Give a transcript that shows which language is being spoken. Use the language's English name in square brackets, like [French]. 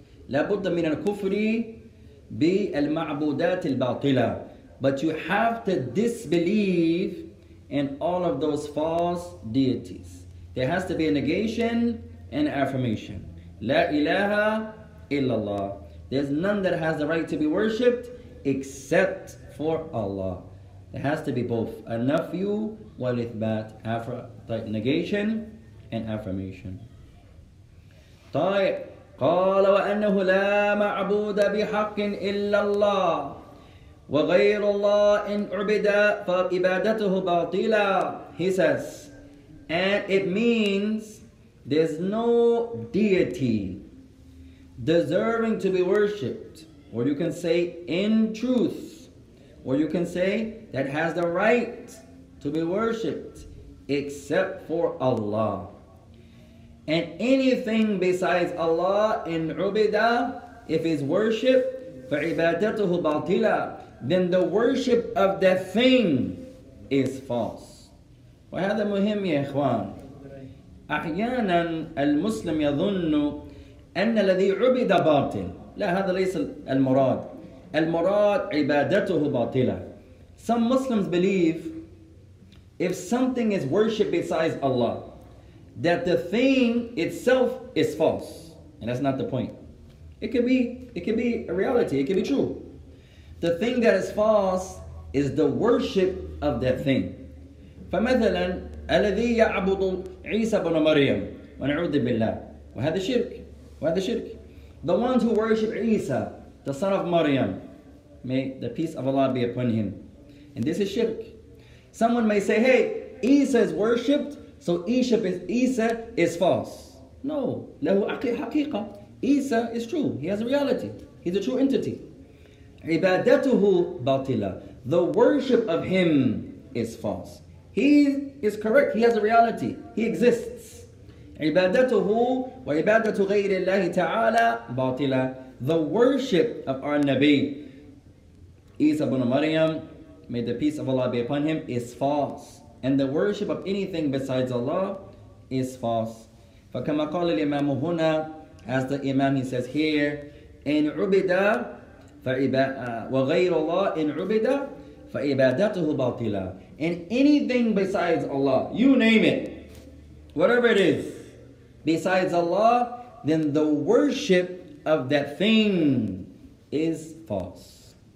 [Arabic] لابد من الكفر بالمعبودات الباطلة. [English] But you have to disbelieve in all of those false deities. There has to be a negation and affirmation. [Arabic] لا إله إلا الله. [English] There's none that has the right to be worshipped except for Allah. There has to be both. [Arabic] النفي والإثبات. طيب, [English] negation and affirmation. [Arabic] طيب, قال وأنه لا معبود بحق إلا الله وغير الله إن عبد فإبادته باطلة. [English] He says, and it means there's no deity deserving to be worshipped, or you can say in truth, or you can say that has the right to be worshipped except for Allah. And anything besides Allah in ubida, if it's worship, [Arabic] فَعِبَادَتُهُ بَاطِلًا, [English] then the worship of that thing is false. [Arabic] وهذا مهم يا إخوان. أحيانا المسلم يظن أن الذي عبد باطل. لا, هذا ليس المراد. المراد عبادته باطلة. [English] Some Muslims believe if something is worshipped besides Allah, that the thing itself is false. And that's not the point. It could be a reality. It could be true. The thing that is false is the worship of that thing. [Arabic] فمثلا الذي يعبد عيسى بن مريم ونعوذ بالله وهذا شرك وهذا شرك. [English] The ones who worship Isa, the son of Maryam, may the peace of Allah be upon him. And this is shirk. Someone may say, hey, Isa is worshipped, so Isa is false. No, [Arabic] له حقيقة. [English] Isa is true. He has a reality. He's a true entity. [Arabic] عبادته باطلة. [English] The worship of him is false. He is correct. He has a reality. He exists. [Arabic] عبادته وعبادة غير الله تعالى باطلة. [English] The worship of our Nabi, Isa ibn Maryam, may the peace of Allah be upon him, is false. And the worship of anything besides Allah is false. [Arabic] فكما قال الإمام هنا, [English] as the Imam, he says here, [Arabic] إن عبد وغير الله إن عبد فعبادته باطلة. [English] And anything besides Allah, you name it, whatever it is, besides Allah, then the worship of that thing is false.